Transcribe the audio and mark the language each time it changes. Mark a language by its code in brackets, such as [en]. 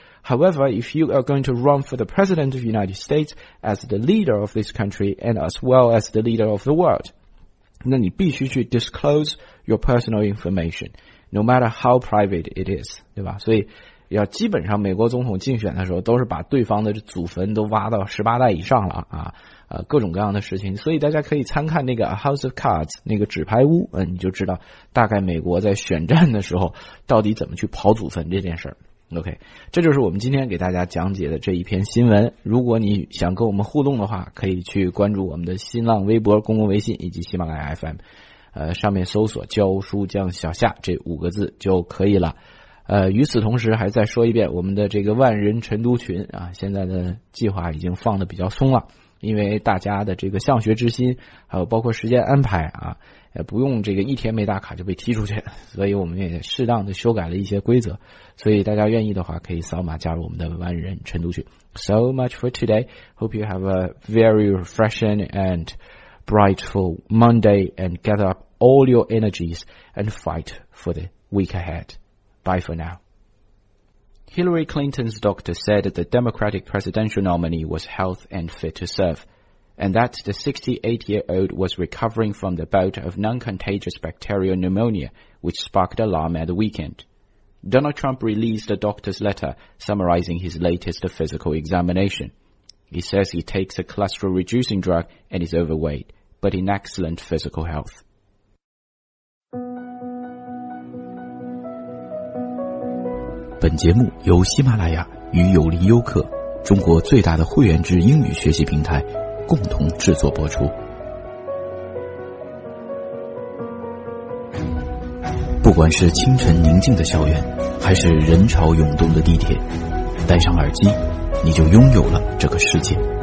[en] However, if you are going to run for the President of the United States as the leader of this country and as well as the leader of the world, [zh] 那你必须去 [en] disclose your personal information, no matter how private it is, [zh] 对吧？所以要基本上美国总统竞选的时候都是把对方的祖坟都挖到十八代以上了啊，各种各样的事情。所以大家可以参看那个 House of Cards 那个纸牌屋，你就知道大概美国在选战的时候到底怎么去刨祖坟这件事儿。 OK， 这就是我们今天给大家讲解的这一篇新闻。如果你想跟我们互动的话，可以去关注我们的新浪微博、公共微信以及喜马拉雅 FM， 上面搜索教书匠小夏这五个字就可以了。与此同时还再说一遍，我们的这个万人晨读群啊，现在的计划已经放得比较松了，因为大家的这个向学之心还有包括时间安排啊，不用这个一天没打卡就被踢出去，所以我们也适当的修改了一些规则，所以大家愿意的话可以扫码加入我们的万人晨读群。 [en] So much for today, hope you have a very refreshing and brightful Monday and gather up all your energies and fight for the week ahead. Bye for now. Hillary Clinton's doctor said that the Democratic presidential nominee was health and fit to serve. and that the 68-year-old was recovering from the bout of non-contagious bacterial pneumonia, which sparked alarm at the weekend. Donald Trump released a doctor's letter summarizing his latest physical examination. He says he takes a cholesterol-reducing drug and is overweight, but in excellent physical health. [zh] 本节目由喜马拉雅与有利优客中国最大的会员制英语学习平台共同制作播出。不管是清晨宁静的校园，还是人潮涌动的地铁，戴上耳机，你就拥有了这个世界。